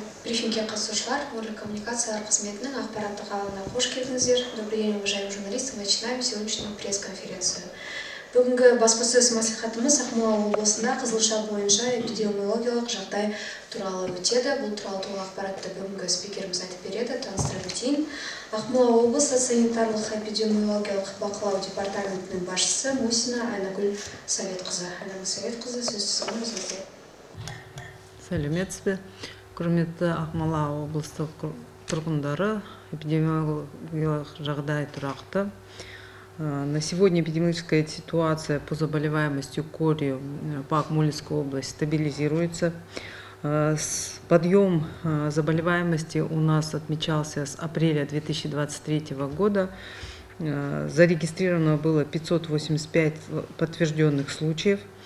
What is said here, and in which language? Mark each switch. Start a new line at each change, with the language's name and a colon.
Kazakh: Брифингке қатысушылар, өңірлік коммуникациялар қызметінің ақпараттық алаңына қош келдіңіздер.
Russian: Добрый день, уважаемые журналисты. Мы начинаем сегодняшнюю пресс-конференцию.
Kazakh: Бүгінгі баспасөз мәслихатымыз Ақмола облысында қызылша бойынша эпидемиологиялық жағдай туралы өтеді. Бұл туралы толық ақпаратты бүгінгі спикеріміз айтып береді. Таныстырып өтейін. Ақмола облысы санитарлық эпидемиологиялық бақылау департаментінің басшысы Мусина Айнагүл Советқызы. Айнагүл Советқызы, сөз сөзіңізде. Сәлеметсіз бе. Құрметті Ақмола облыстық тұрғындары, эпидемиологиялық жағдай тұрақты.
Russian: На сегодня эпидемиологическая ситуация по заболеваемости кори по Акмолинской области стабилизируется. Подъем заболеваемости у нас отмечался с апреля 2023 года. Зарегистрировано было 585 подтвержденных случаев.